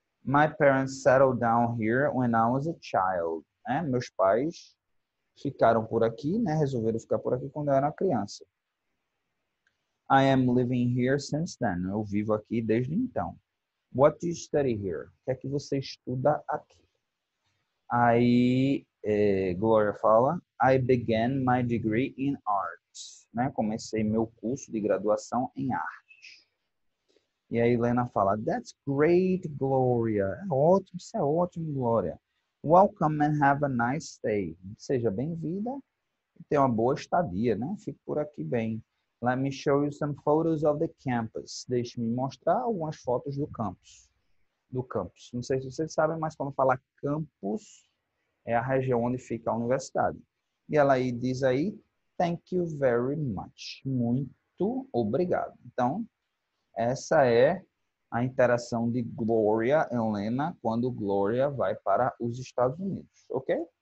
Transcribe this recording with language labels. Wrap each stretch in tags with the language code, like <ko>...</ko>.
<en>My parents settled down here when I was a child.</en> <pt>Né? Meus pais ficaram por aqui, né? Resolveram ficar por aqui quando eu era uma criança.</pt> <en>I am living here since then.</en> <pt>Eu vivo aqui desde então.</pt> <en>What do you study here?</en> <pt>O que é que você estuda aqui? Aí, Gloria fala,</pt> <en>I began my degree in art.</en> <pt>Né? Comecei meu curso de graduação em arte. E aí, Lena fala,</pt> <en>that's great, Gloria.</en> <pt>É ótimo, isso é ótimo, Gloria.</pt> <en>Welcome and have a nice stay.</en> <pt>Seja bem-vinda e tenha uma boa estadia, né? Fique por aqui bem.</pt> <en>Let me show you some photos of the campus.</en> <pt>Deixe-me mostrar algumas fotos do campus. Do campus. Não sei se vocês sabem, mas quando fala campus, é a região onde fica a universidade. E ela aí diz aí,</pt> <en>thank you very much.</en> <pt>Muito obrigado. Então, essa é a interação de Gloria e Helena quando Gloria vai para os Estados Unidos, ok?</pt>